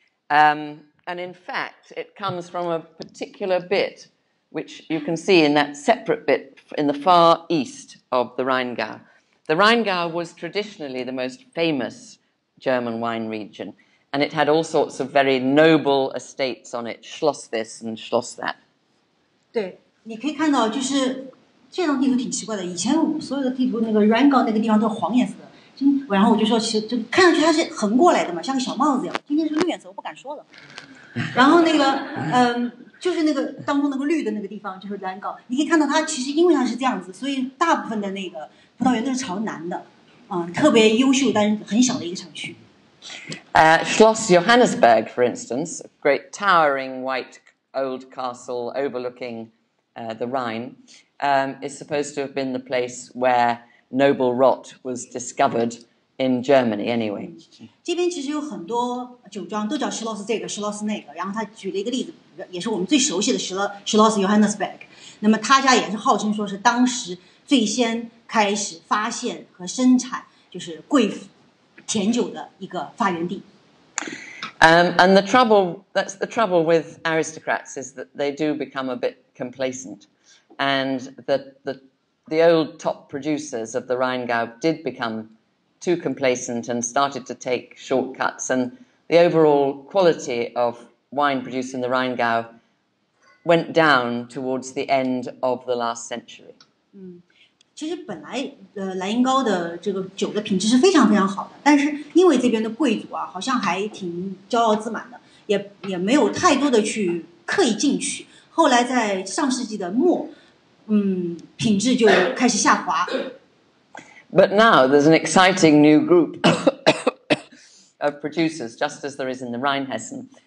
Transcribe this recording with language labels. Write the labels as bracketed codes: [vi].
[en] And in fact, it comes from a particular bit, which you can see in that separate bit in the far east of the Rheingau. The Rheingau was traditionally the most famous German wine region, and it had all sorts of very noble estates on it, Schloss this and Schloss that. [zh] 对，你可以看到，就是这张地图挺奇怪的。以前所有的地图，那个 Rheingau 那个地方都是黄颜色的。今然后我就说，其实就看上去它是横过来的嘛，像个小帽子一样。今天是绿颜色，我不敢说了。然后那个，就是那个当中那个绿的那个地方，就是 Rheingau。你可以看到它其实因为它是这样子，所以大部分的那个葡萄园都是朝南的，特别优秀，但是很小的一个产区。 [en] Schloss Johannesburg, for instance, a great towering white. Old castle overlooking the Rhine, is supposed to have been the place where noble rot was discovered in Germany anyway. [zh] 这边其实有很多酒庄都叫 Schloss 这个 Schloss 那个，然后他举了一个例子，也是我们最熟悉的 Schloss Johannesburg. 那么他家也是号称说是当时最先开始发现和生产就是贵腐甜酒的一个发源地。 [en] And the trouble, that's the trouble with aristocrats is that they do become a bit complacent. And the old top producers of the Rheingau did become too complacent and started to take shortcuts. And the overall quality of wine produced in the Rheingau went down towards the end of the last century. [zh] 其实本来莱茵高的这个酒的品质是非常非常好的，但是因为这边的贵族啊好像还挺骄傲自满的，也没有太多的去刻意进取，后来在上世纪的末品质就开始下滑。 [en] But now there's an exciting new group of producers, just as there is in the Rheinhessen.